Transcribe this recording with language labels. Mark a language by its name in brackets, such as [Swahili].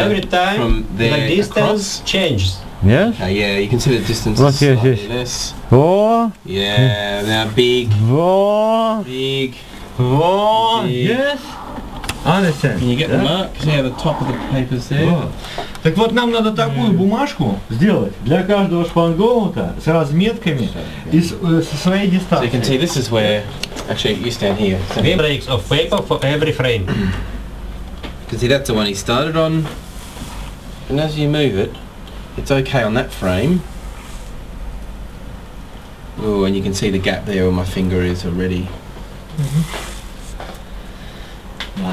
[English] every time from there the distance changes. Yes? Yeah, you can see the distance is slightly less. [Russian] Во. [English] Yeah, now big. [Russian] Во. [English] Big. Во. Yes? I understand. Can you get the mark? See how the top of the paper's there? [Russian] Во. Так вот, нам надо такую бумажку сделать для каждого шпангоута с разметками и со своей дистанции. [English] So you can see this is where, actually, you stand here. So three breaks of paper for every frame. Because that's the one he started on, and as you move it, it's okay on that frame. Oh, and you can see the gap there where my finger is already. Mm-hmm.